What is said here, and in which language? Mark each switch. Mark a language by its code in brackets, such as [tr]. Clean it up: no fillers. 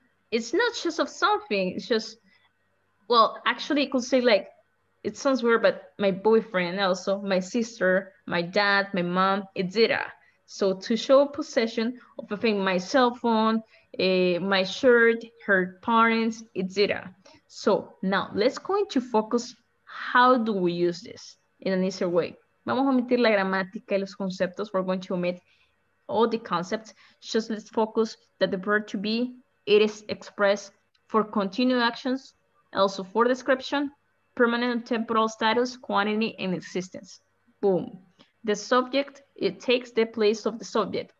[en] It's not just of something, it's just, well, actually you could say like, it sounds weird, but my boyfriend also, my sister, my dad, my mom, etc. So to show possession of a thing, my cell phone, my shirt, her parents, etc. So now let's going to focus, how do we use this in an easier way? [es] Vamos a omitir la gramática y los conceptos. [en] We're going to omit all the concepts. Just let's focus that the verb to be, it is expressed for continued actions, also for description, permanent and temporal status, quantity, and existence. Boom. The subject, it takes the place of the subject.